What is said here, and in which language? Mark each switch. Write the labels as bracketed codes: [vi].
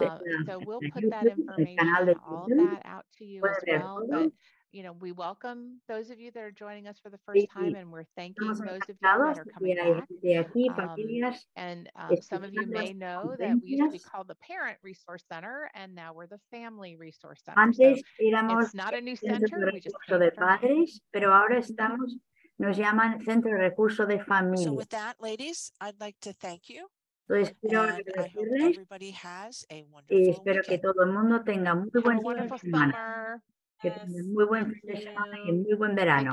[es] en YouTube, en el canal de YouTube. Puede ver todo. [en] You know, we welcome those of you that are joining us for the first time, and we're thanking those of you that are coming back. Some of you may know that we used to be called the Parent Resource Center, and now we're the Family Resource Center. [es] Antes éramos [en] it's not a new center, we just [es] de padres, pero ahora estamos, nos llaman Centro de Recurso de Familias. [en] So with that, ladies, I'd like to thank you. [es] Entonces, quiero agradecerles [en] everybody has a [es] y espero que todo el mundo tenga muy buen fin de semana. [en] Yes, [es] que tengan muy buen fin de semana y muy buen verano.